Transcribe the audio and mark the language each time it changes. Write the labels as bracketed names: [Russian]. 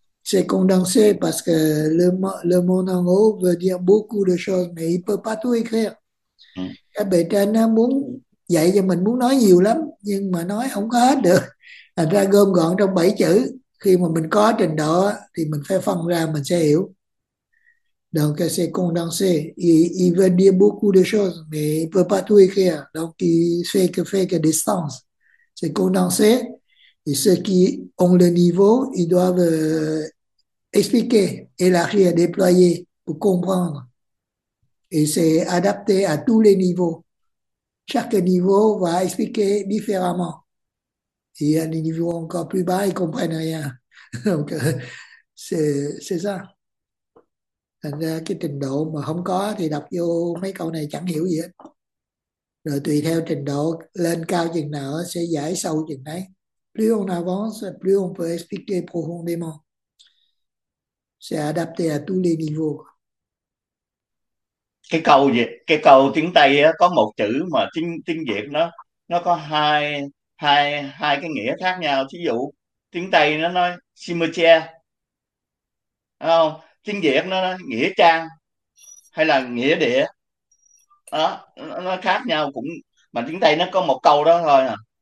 [French] c'est condensé parce que le mot en haut veut dire beaucoup de choses mais il peut pas tout écrire. [Vietnamese] Cái bề trên nó muốn dạy cho mình muốn nói nhiều lắm nhưng mà nói không có hết được, thành ra gom gọn trong 7 chữ. Khi mà mình có trình độ thì mình phải phân ra mình sẽ hiểu. [French] Donc c'est condensé, il veut dire beaucoup de choses mais il peut pas tout écrire, donc il fait que distance. C'est condensé. Et ceux qui ont le niveau, ils doivent expliquer, élargir, déployer pour comprendre. Et c'est adapté à tous les niveaux. Chaque niveau va expliquer différemment. Il y a des niveaux encore plus bas, ils ne comprennent rien. Donc, c'est ça. [Vietnamese] Thành ra cái trình độ mà không có thì đọc vô mấy câu này chẳng hiểu gì hết. Rồi tùy theo trình độ lên cao chừng nào sẽ giải sâu chừng đấy. [French] Plus on avance, plus on peut expliquer profondément. C'est adapté à tous les niveaux. [Vietnamese] Cái câu tiếng Tây á, có một chữ mà tiếng tiếng Việt nó có hai hai hai cái nghĩa khác nhau. Thí dụ tiếng Tây nó nói simetria, không, tiếng Việt nó nói nghĩa trang hay là nghĩa địa đó, nó khác nhau cũng, mà tiếng Tây nó có một câu đó thôi à.